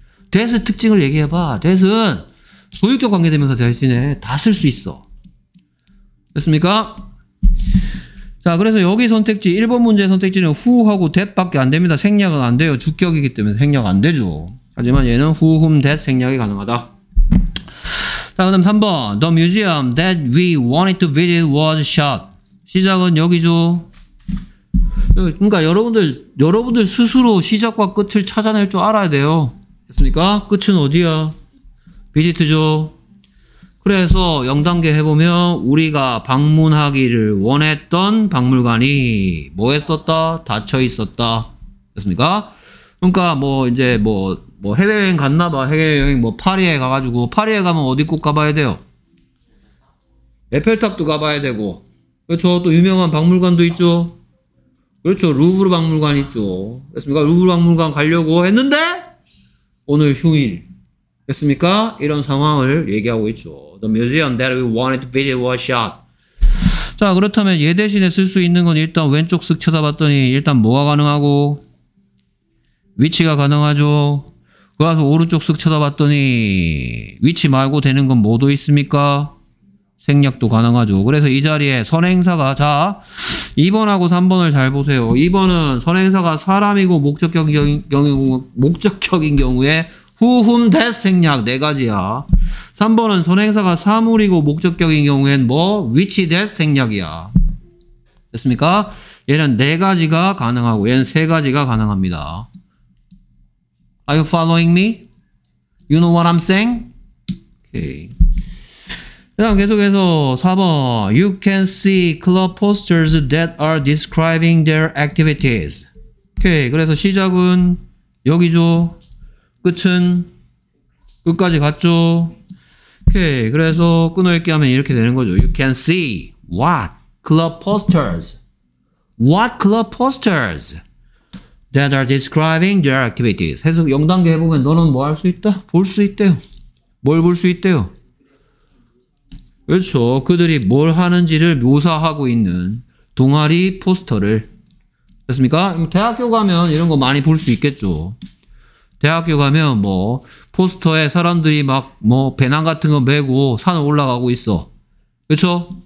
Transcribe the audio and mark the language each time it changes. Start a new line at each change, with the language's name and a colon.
Korean: that의 특징을 얘기해봐. that은 소유격 관계대명사 대신에 다 쓸 수 있어. 됐습니까? 자, 그래서 여기 선택지 1번 문제 선택지는 who하고 that밖에 안 됩니다. 생략은 안 돼요. 주격이기 때문에 생략 안 되죠. 하지만 얘는 who, whom, that 생략이 가능하다. 자, 그 다음 3번
English: the museum that we wanted to visit was shut.
Korean: 시작은 여기죠. 그러니까 여러분들 스스로 시작과 끝을 찾아낼 줄 알아야 돼요. 됐습니까? 끝은 어디야? 비지트죠. 그래서 0단계 해보면 우리가 방문하기를 원했던 박물관이 뭐 했었다? 닫혀 있었다. 됐습니까? 그러니까 뭐 이제 뭐 해외여행 갔나봐. 해외여행 뭐 파리에 가가지고 파리에 가면 어디 꼭 가봐야 돼요? 에펠탑도 가봐야 되고. 그렇죠. 또 유명한 박물관도 있죠. 그렇죠. 루브르 박물관 있죠. 됐습니까? 루브르 박물관 가려고 했는데? 오늘 휴일 됐습니까? 이런 상황을 얘기하고 있죠.
English: The museum that we wanted to visit was shut.
Korean: 자, 그렇다면 얘 대신에 쓸 수 있는 건 일단 왼쪽 쓱 쳐다봤더니 일단 뭐가 가능하고 위치가 가능하죠. 그래서 오른쪽 쓱 쳐다봤더니 위치 말고 되는 건 뭐도 있습니까? 생략도 가능하죠. 그래서 이 자리에 선행사가 자 2번하고 3번을 잘 보세요. 2번은 선행사가 사람이고 목적격인 경우에 who, whom, that 생략 네 가지야. 3번은 선행사가 사물이고 목적격인 경우엔 뭐 which, that 생략이야. 됐습니까? 얘는 네 가지가 가능하고 얘는 세 가지가 가능합니다.
English: Are you following me? You know what I'm saying? Okay.
Korean: 그다음 계속해서 4번
English: You can see club posters that are describing their activities.
Korean: 오케이 그래서 시작은 여기죠. 끝은 끝까지 갔죠. 오케이 그래서 끊어읽기 하면 이렇게 되는 거죠.
English: You can see what club posters What club posters that are describing their activities.
Korean: 해석 0단계 해보면 너는 뭐 할 수 있다? 볼 수 있대요. 뭘 볼 수 있대요? 그렇죠. 그들이 뭘 하는지를 묘사하고 있는 동아리 포스터를 됐습니까? 대학교 가면 이런 거 많이 볼 수 있겠죠. 대학교 가면 뭐 포스터에 사람들이 막 뭐 배낭 같은 거 메고 산 올라가고 있어. 그렇죠?